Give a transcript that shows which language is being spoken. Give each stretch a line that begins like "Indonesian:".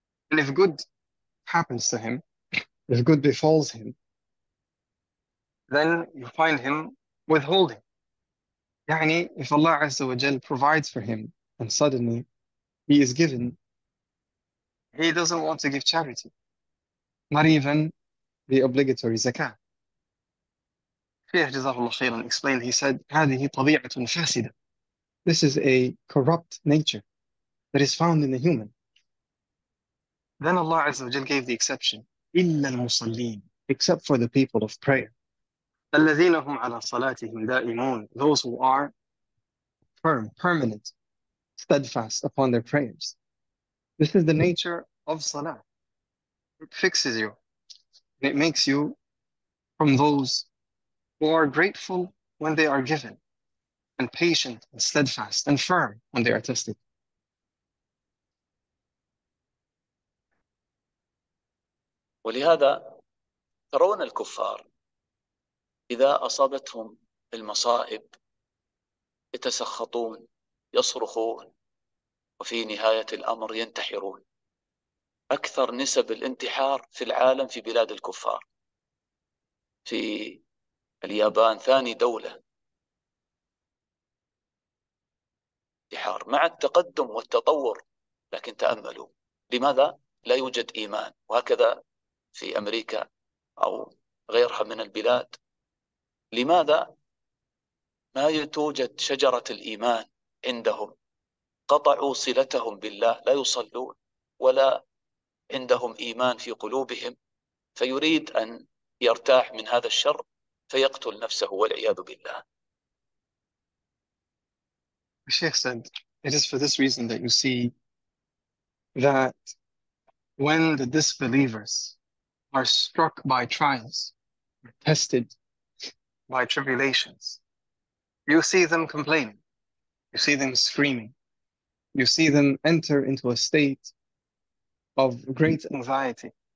English: And if good happens to him, if good befalls him, then you find him withholding.
Arabic: يعني,
English: if Allah
Arabic: Azza wa Jalla
English: provides for him and suddenly he is given, he doesn't want to give charity, not even the obligatory zakah.
Arabic: شيخ جزاه الله خيرا
English: explained, he said,
Arabic: هذه طبيعة فاسدة.
English: This is a corrupt nature that is found in the human. Then Allah
Arabic: Azza wa Jal
English: gave the exception.
Arabic: إِلَّا الْمُصَلِّينَ.
English: Except for the people of prayer.
Arabic: الَّذِينَ هُمْ عَلَى صَلَاتِهِمْ دَائِمُونَ.
English: Those who are firm, permanent, steadfast upon their prayers. This is the nature of salah. It fixes you. And it makes you from those who are grateful when they are given, and patient and steadfast and firm when they are tested.
Arabic: ولهذا ترون الكفار إذا أصابتهم المصائب يتسخطون يصرخون وفي نهاية الأمر ينتحرون. أكثر نسب الانتحار في العالم في بلاد الكفار. في اليابان ثاني دولة انتحار مع التقدم والتطور، لكن تأملوا لماذا لا يوجد إيمان. وهكذا في أمريكا أو غيرها من البلاد، لماذا ما توجد شجرة الإيمان عندهم؟ قطعوا صلتهم بالله، لا يصلون ولا عندهم إيمان في قلوبهم، فيريد أن يرتاح من هذا الشر فيقتل نفسه والعياذ بالله.
English: The Sheikh said, it is for this reason that you see that when the disbelievers are struck by trials, tested by tribulations, you see them complaining, you see them screaming, you see them enter into a state of great anxiety.